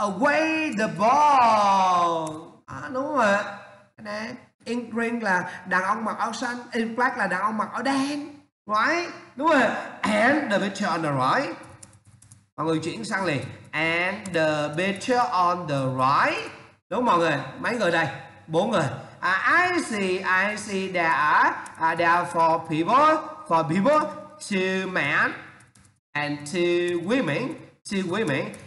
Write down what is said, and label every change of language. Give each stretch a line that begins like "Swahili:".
English: They are sitting on the wheelchair and I see a man in green, the man in green is towing away the ball.
Vietnamese: À, đúng rồi. In green là đàn ông mặc áo xanh, in black là đàn ông mặc áo đen.
English: Right,
Vietnamese: đúng rồi.
English: And the picture on the right, mọi người chuyển sang liền. And the picture on the right, đúng mọi người.
Vietnamese: Mấy người đây? Bốn người.
English: I see there are four people, two men and two women.